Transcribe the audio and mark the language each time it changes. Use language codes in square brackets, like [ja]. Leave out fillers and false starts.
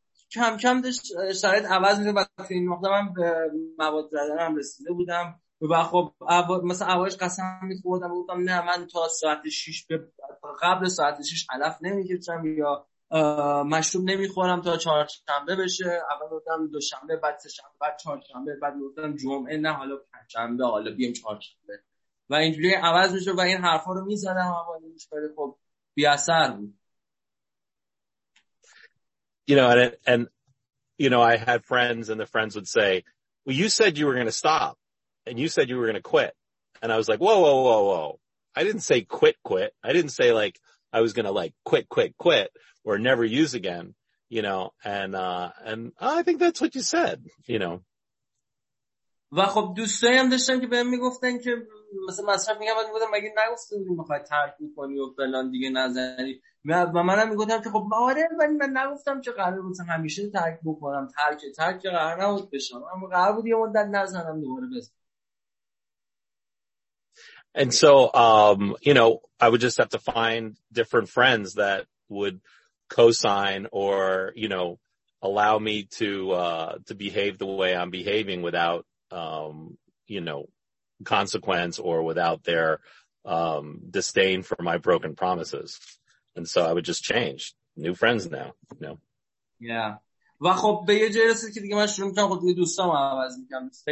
[fa] کم کم داشت شرایط عوض می‌شد و تو این نقطه من به مواد زدنم رسیده بودم و خب مثلا اولش قسم می‌خوردم و گفتم نه من تا ساعت 6 قبل ساعت 6 علف نمی‌کشم یا مشروب نمی‌خورم تا چهارشنبه بشه، اول گفتم دوشنبه بعد سه شنبه بعد چهارشنبه بعد گفتم جمعه نه حالا پنجشنبه حالا بیام چهارشنبه و اینجوری عوض می‌شد و این حرفا رو می‌زدم و خیلی خب بی اثر بود. [en] You know, and you know, I had friends and the friends would say, well, you said you were going to stop and you said you were going to quit. And I was like, whoa, whoa, whoa, whoa. I didn't say quit. I didn't say like I was going to like quit or never use again, you know, and I think that's what you said, you know. [fa] و خب دوستایی هم داشتم که بهم میگفتن که مثلا مصرف میگم باید میگفتم مگه نگفتی بودی میخوای ترک میکنی و فلان دیگه نزنی و من هم میگفتم که خب آره ولی من نگفتم که قرار بود همیشه ترک بکنم ترک قرار نبود بشم اما قرار بود یه مدت نزنم دوباره بزنم. [en] And so you know I would just have to find different friends that would co-sign or you know allow me to behave the way I'm behaving without you know, consequence or without their disdain for my broken promises. And so I would just change. New friends now, you know. Yeah. [fa] و خب به یه جایی رسید که دیگه من شروع میکنم خود دوستام رو عوض میکنم.